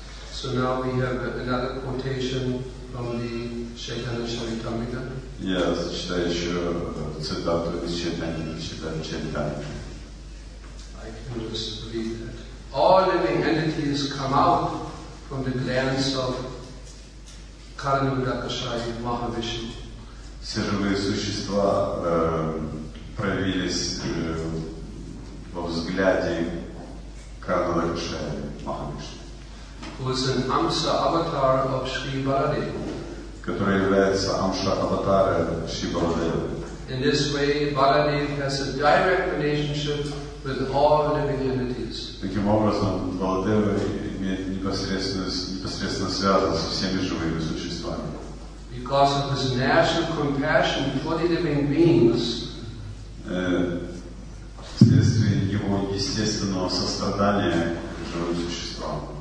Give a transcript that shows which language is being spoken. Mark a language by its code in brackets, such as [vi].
[en] So now we have another quotation from the Chaitanya Charitamrita. [ru] Yes, читаю еще цитату из Чайтанья Чайтанья. [en] I can just read that. All living entities come out from the glands of Kalyudakashaya Mahavishnu. [ru] Все живые существа проявились во взгляде Kalyudakashaya Mahavishnu. [en] Who is an Amsa avatar of Sri Baladeva. [ru] Который является Амша аватара Шри Баладева. [en] In this way, Baladev has a direct relationship with all living entities. [ru] Таким образом, Баладева имеет непосредственно связан со всеми живыми существами. [en] Because of his natural compassion for the living beings. [ru] Вследствие его естественного сострадания к живым существам.